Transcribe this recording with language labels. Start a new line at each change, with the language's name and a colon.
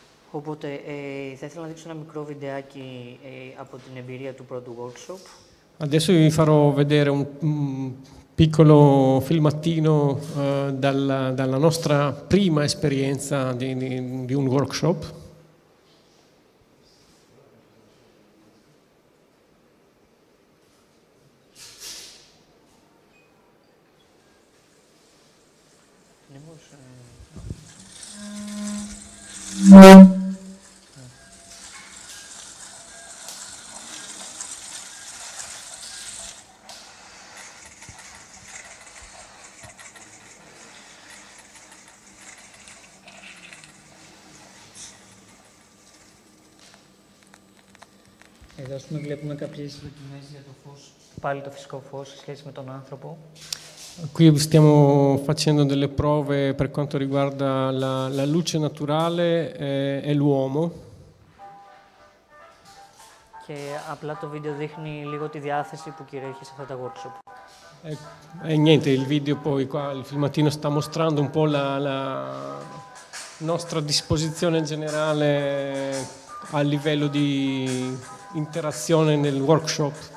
Greek: Οπότε, θα ήθελα να δείξω ένα μικρό βιντεάκι από την εμπειρία του πρώτου workshop.
Italian: Adesso vi farò vedere un piccolo filmatino dalla nostra prima esperienza di un workshop.
Greek: Βλέπουμε κάποιες δοκιμές για το φως, πάλι το φυσικό φως, σε σχέση με τον άνθρωπο.
Italian: Qui stiamo facendo delle prove per quanto riguarda la luce naturale e l'uomo.
Greek: Και απλά το βίντεο δείχνει λίγο τη διάθεση που κυριαρχεί σε αυτά τα workshop.
Italian: Niente, il video poi qua, il filmatino sta mostrando un po' la nostra disposizione generale a livello di interazione nel workshop.